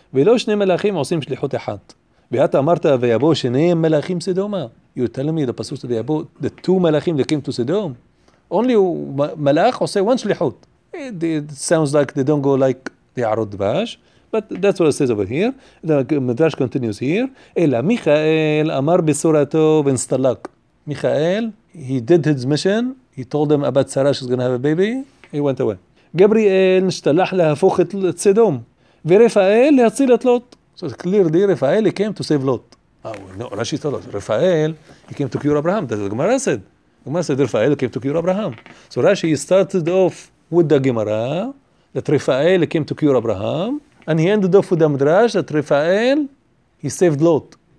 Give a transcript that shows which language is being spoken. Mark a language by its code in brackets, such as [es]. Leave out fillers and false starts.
[he] ולא שני מלאכים עושים שליחות אחת. ואתה אמרת, ויבוא שני מלאכים סדומה. [en] You tell me the pasuk that they abode, the two מלאכים that came to Sodom. Only מלאך עושה one שליחות. It sounds like they don't go like the Ya'arod Dvash, but that's what it says over here. The Midrash continues here. [he] אלא מיכאל אמר בשורתו ונסתלק. [en] מיכאל, he did his mission, he told them about Sarah she's going to have a baby, he went away. [he] גבריאל נשתלח להפוך את סדום. ורפאל להציל את לוט. [en] So it's clear that Raphael came to save Lot. Oh, no, Rashi told us, Raphael, he came to cure Abraham. That's the Gemara said. Gemara said, Raphael came to cure Abraham. So Rashi started off with the Gemara, that Raphael came to cure Abraham, and he ended off with the Midrash, that Raphael, he saved Lot.